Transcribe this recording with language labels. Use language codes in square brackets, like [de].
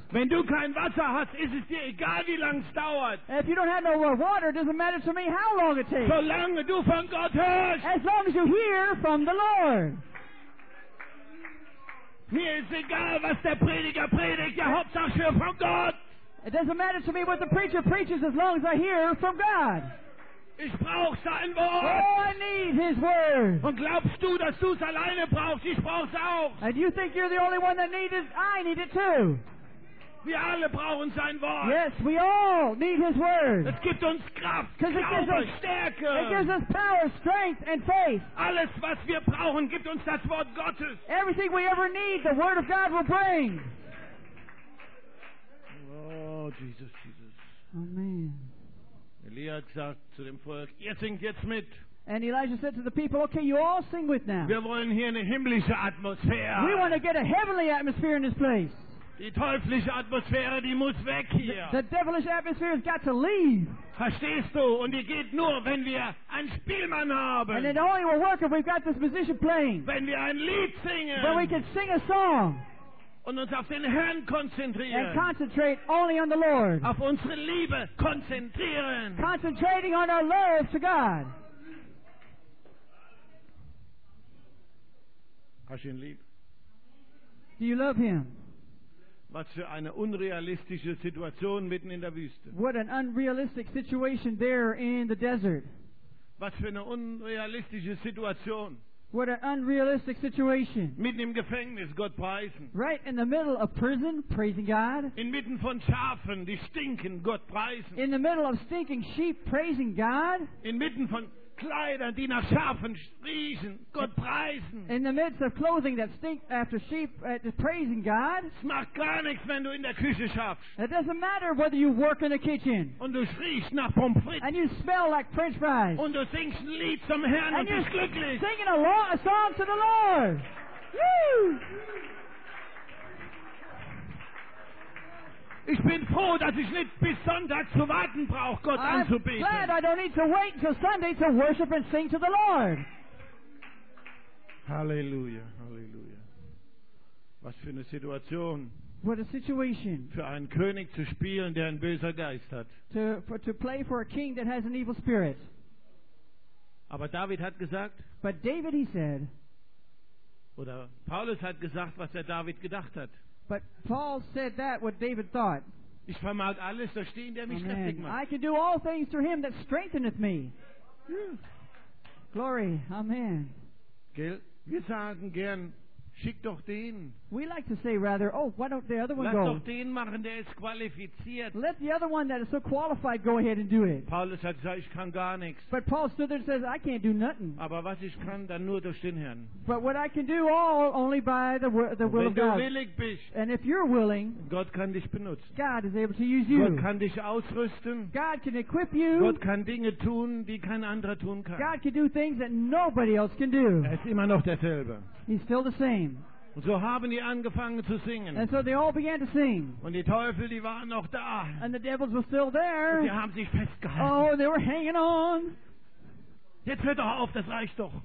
[de] Wenn du kein Wasser hast, ist es dir egal, wie lang es dauert. [en] And if you don't have no water, it doesn't matter to me how long it takes. [de] Solange du von Gott hörst. [en] As long as you hear from the Lord. [de] Mir ist egal, was der Prediger predigt, ja, Hauptsache ich höre von Gott. [en] It doesn't matter to me what the preacher preaches as long as I hear from God. [de] Ich brauche sein Wort. [en] Oh, I need his word. [de] Und glaubst du, dass du es alleine brauchst? Ich brauche es auch. [en] And you think you're the only one that needs it? I need it too. [de] Wir alle brauchen sein Wort. [en] Yes, we all need his word. [de] Es gibt uns Kraft, Glaube, Stärke. [en] It gives us power, strength and faith. [de] Alles, was wir brauchen, gibt uns das Wort Gottes. [en] Everything we ever need, the word of God will bring. Oh, Jesus, Jesus. Amen. [de] Elia sagt zu dem Volk, ihr singt jetzt mit. [en] And Elijah said to the people, okay, you all sing with now. [de] Wir wollen hier eine himmlische Atmosphäre. [en] We want to get a heavenly atmosphere in this place. [de] Die teuflische Atmosphäre, die muss weg hier. [en] The devilish atmosphere has got to leave. [de] Verstehst du? Und die geht nur, wenn wir einen Spielmann haben. [en] And it only will work if we've got this musician playing. [de] Wenn wir ein Lied singen. [en] When we can sing a song. [de] und uns auf den Herrn konzentrieren. [en] And concentrate only on the Lord. [de] Auf unsere Liebe konzentrieren. [en] Concentrating on our love to God. [de] Hast du ihn lieb? [en] Do you love him? [de] Was für eine unrealistische Situation mitten in der Wüste. [en] What an unrealistic situation there in the desert. [de] Was für eine unrealistische Situation. [en] What an unrealistic situation. [de] Mitten im Gefängnis, Gott preisen. [en] Right in the middle of prison, praising God. [de] Inmitten von Schafen, die stinken, Gott preisen. [en] In the middle of stinking sheep, praising God. [de] Inmitten von Kleidern, die nach Schafen riechen, Gott preisen. [en] In the midst of clothing that stink after sheep, praising God. [de] Es macht gar nichts, wenn du in der Küche schaffst. [en] It doesn't matter whether you work in the kitchen. [de] Und du riechst nach Pommes frites. [en] And you smell like French fries. [de] Und du singst ein Lied zum Herrn und bist glücklich. [en] Singing a song to the Lord. Woo! [de] Ich bin froh, dass ich nicht bis Sonntag zu warten brauche, Gott [en] I'm [de] anzubeten. [en] I'm glad I don't need to wait until Sunday to worship and sing to the Lord. [de] Halleluja, halleluja. Was für eine Situation. [en] What a situation. [de] Für einen König zu spielen, der ein böser Geist hat. [en] To play for a king that has an evil spirit. [de] Aber David hat gesagt. [en] But David, he said. [de] Oder Paulus hat gesagt, was er David gedacht hat. [en] But Paul said that what David thought. [de] Ich vermag alles durch den, der mich kräftig macht. [en] I can do all things through him that strengtheneth me. Glory. Amen. [de] Gell? Wir sagen gern, schick doch den. [en] We like to say rather, oh, why don't the other one go? [de] Lass doch den machen, der ist qualifiziert. [en] Let the other one that is so qualified go ahead and do it. [de] Paulus hat gesagt, ich kann gar nichts. [en] But Paul stood there and says, I can't do nothing. [de] Aber was ich kann, dann nur durch den Herrn. [en] But what I can do all only by the will [de] wenn [en] of God. [de] Wenn du willig bist. [en] And if you're willing. [de] Gott kann dich benutzen. [en] God is able to use you. [de] Gott kann dich ausrüsten. [en] God can equip you. [de] Gott kann Dinge tun, die kein anderer tun kann. [en] God can do things that nobody else can do. [de] Er ist immer noch derselbe. [en] He's still the same. [de] Und so haben die angefangen zu singen. [en] And so they all began to sing. [de] Und die Teufel, die waren noch da. [en] And the devils were still there. [de] Und die haben sich festgehalten. [en] Oh, they were hanging on. [de] Jetzt hört doch auf, das reicht doch.